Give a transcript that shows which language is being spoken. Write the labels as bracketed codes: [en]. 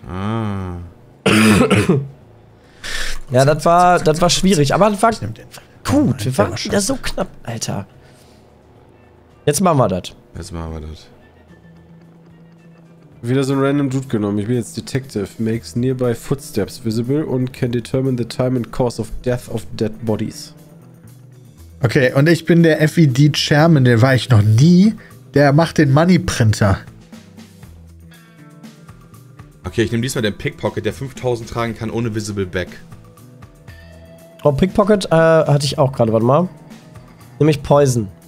[de] Ah. Ja, das war schwierig. Aber das war gut. Wir waren ja so knapp, Alter. Jetzt machen wir das. Wieder so ein random Dude genommen. Ich bin jetzt Detective. [en] Makes nearby footsteps visible and can determine the time and cause of death of dead bodies. [de] Okay, und ich bin der FED Chairman, der war ich noch nie. Der macht den Money Printer. Okay, ich nehme diesmal den Pickpocket, der 5000 tragen kann ohne Visible Back. Oh, Pickpocket hatte ich auch gerade, warte mal. Nämlich Poison.